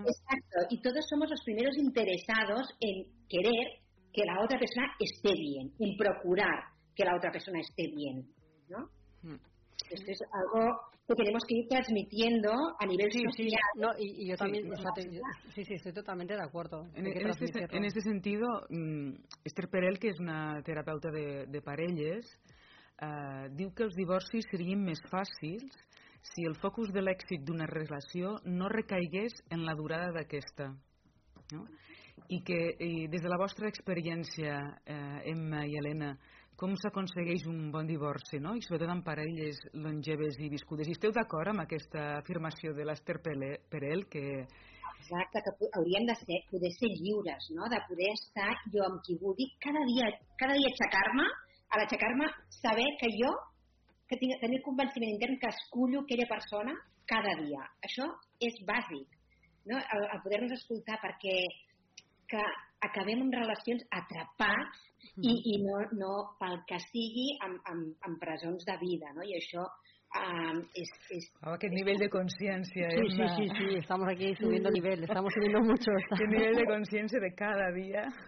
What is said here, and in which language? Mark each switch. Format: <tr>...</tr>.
<es>Exacto, y todos somos los primeros interesados en querer que la otra persona esté bien, en procurar que la otra persona esté bien, ¿no? Esto es algo que tenemos que ir transmitiendo a nivel social. Sí, no, y yo también, estoy totalmente de acuerdo.</es> <ca>En este sentido, Esther Perel, que és una terapeuta de parelles, diu que els divorcis serien més fàcils si el focus de l'èxit d'una relació no recaigués en la durada d'aquesta. No? I des de la vostra experiència, Emma i Elena, com s'aconsegueix un bon divorci, no? I sobretot en parelles longeves i viscudes. I esteu d'acord amb aquesta afirmació de l'Esther Perel? Que... Exacte, que hauríem de poder ser lliures, no? De poder estar jo amb qui vulgui, cada dia aixecar-me, saber que jo, que tenir convenciment intern que escullo aquella persona cada dia. Això és bàsic, no? A poder-nos escoltar, perquè que acabem amb relacions atrapats i no pel que sigui amb presons de vida, no? I això és... Aquest nivell de consciència, sí, Emma.</ca> <es>Sí, estamos aquí subiendo nivel, estamos subiendo mucho.</es> <ca>Aquest nivell de consciència de cada dia.</ca>